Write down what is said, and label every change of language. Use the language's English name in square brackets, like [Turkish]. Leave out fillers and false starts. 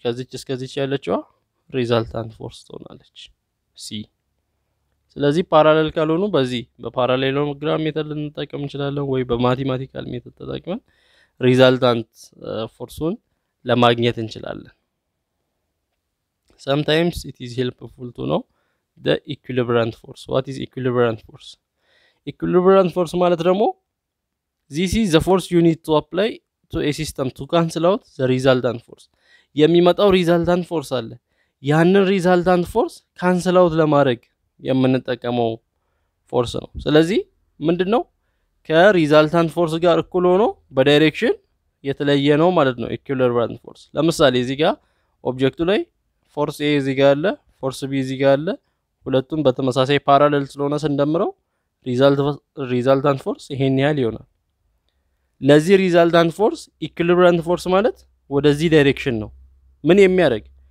[Amharic] ከዚች እስከዚች ያለችዋ ሪዛልታንት ፎርስ ትሆናለች ሲ። ስለዚህ ፓራሌል ካልሆኑ በዚህ በፓራሌሎግራም ሜተድ ልንጠቀም እንችላለን ወይ በማቴማቲካል ሜተድ ተጠቅመን ሪዛልታንት ፎርሱን ለማግኘት እንችላለን። [English] Sometimes it is helpful to know the equilibrant force. What is equilibrant force? Equilibrant force [Amharic] ማለት ደግሞ [English] this is the force you need to apply to a system to cancel out the resultant force. [Amharic] የሚመጣው resultant force አለ። ያንን resultant force cancel out ለማድረግ የምንጠቀመው force ነው። ስለዚህ ምንድነው? ከresultant force ጋር እኩል ሆኖ በdirection የተለየ ነው ማለት ነው equilibrant force። ለምሳሌ እዚህ ጋር object ላይ force A እዚህ ጋር አለ፣ force B እዚህ ጋር አለ። ሁለቱም በተመሳሳይ parallel ስለሆነ ስንደምረው resultant force ይሄን ያህል ይሆናል። ለዚህ resultant force equilibrant force ማለት ወደዚህ direction ነው። ምን የሚያደርግ?